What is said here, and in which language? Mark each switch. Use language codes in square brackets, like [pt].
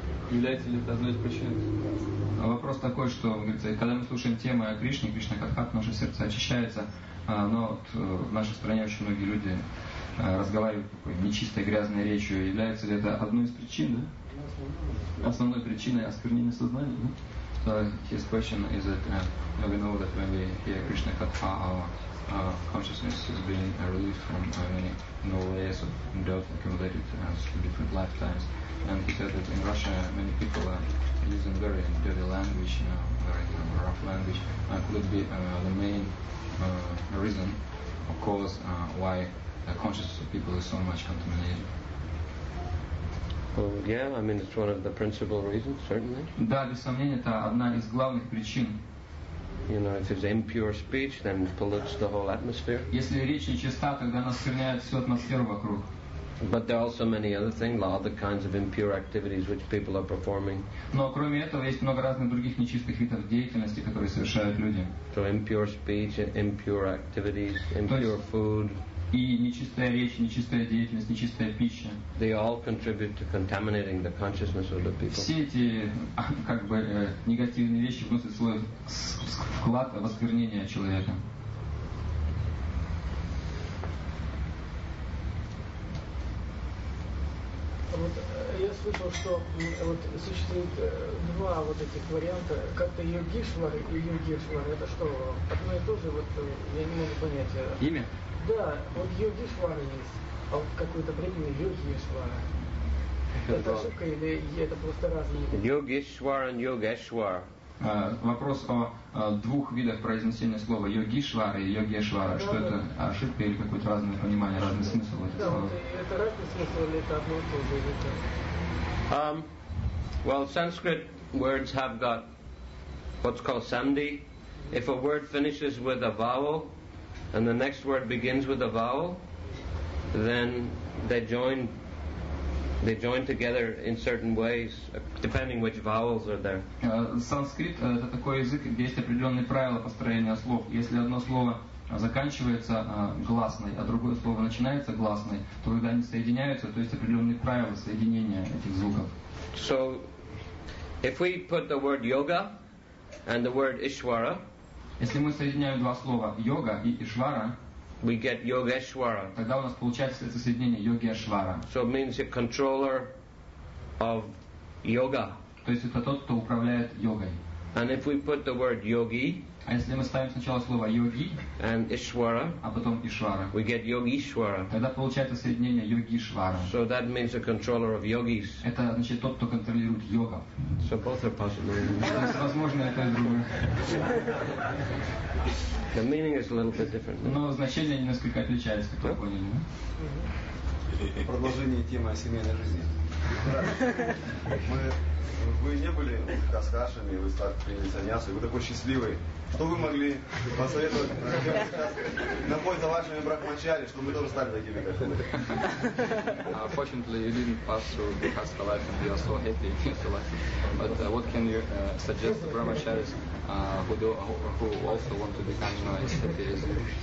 [ru] Является ли это одной из причин? Вопрос такой, что говорится, когда мы слушаем темы о Кришне, Кришна Катхат, наше сердце очищается, но в нашей стране очень многие люди разговаривают такой нечистой, грязной речью. Является ли это одной из причин, да? Основной причиной осквернения сознания, да? [en] So his question is that we know that when we hear Krishna Katha, our consciousness is being released from many layers of doubt accumulated through different lifetimes. And he said that in Russia many people are using very dirty language, you know, very rough language. Could it be the main reason or cause why the consciousness of people is so much contaminated? Well, yeah, I mean, it's one of the principal reasons, certainly. [ru] Да, без сомнения, это одна из главных причин. [en] You know, if it's impure speech, then it pollutes the whole atmosphere. [ru] Если речь нечиста, тогда она оскверняет всю атмосферу вокруг. [en] But there are also many other things, other kinds of impure activities which people are performing. [ru] Но кроме этого есть много разных других нечистых видов деятельности, которые совершают люди. [en] So impure speech, impure activities, impure food. [ru] И нечистая речь, нечистая деятельность, нечистая пища. [en] They all contribute to contaminating the consciousness of the people. [ru] Все эти как бы негативные вещи вносят свой вклад в осквернение человека. Вот я слышал, что вот существует два вот этих варианта, как-то Йогишвар и Йогишвар, это что, одно и то же, вот я не могу понять. Имя? Да, вот Йогишвар есть, а вот какой-то бредный Йогишвар. Это ошибка или это просто разные? Йогишвар и Йогешвар. Вопрос о двух видах произнесения слова йогишвар и йогешвар. Что это, ошибка или какое-то разное понимание, разный смысл этих слов? Это разный смысл или это одно и то же? [en] Well, Sanskrit words have got what's called sandhi. If a word finishes with a vowel and the next word begins with a vowel, then they join together in certain ways, depending which vowels are there. [ru] Санскрит — это такой язык, где есть определенные правила построения слов. Если одно слово заканчивается гласной, а другое слово начинается гласной, то когда они соединяются, то есть определенные правила соединения этих звуков. [en] So, if we put the word yoga and the word ishvara, [ru] если мы соединяем два слова йога и ишвара, [en] we get Yogeshwara. [ru] Тогда у нас получается это соединение Йогешвара. [en] So it means a controller of yoga. [ru] То есть это тот, кто управляет йогой. [en] And if we put the word yogi, [ru] а если мы ставим сначала слово йоги, [en] and ishwara, [ru] а потом ишвара, [en] we get Yogeshwara. [ru] Тогда получается соединение Йогишвара. [en] So that means a controller of yogis. [ru] Это значит тот, кто контролирует йогов. [en] So both are possible. [ru] Возможно, это и другое. [en] The meaning is a little bit different. [ru] Но значение несколько отличается, как вы поняли, да? Продолжение темы о семейной жизни. Вы не были каскашами, вы приняли саньясу, вы такой счастливый. Что вы могли посоветовать на пой за вашими брахмачари, чтобы мы тоже стали такими, как вы? [en] Unfortunately, you didn't pass through the caste life and you are so happy. So lucky. But what can you suggest to brahmacharis who also want to become as happy as you?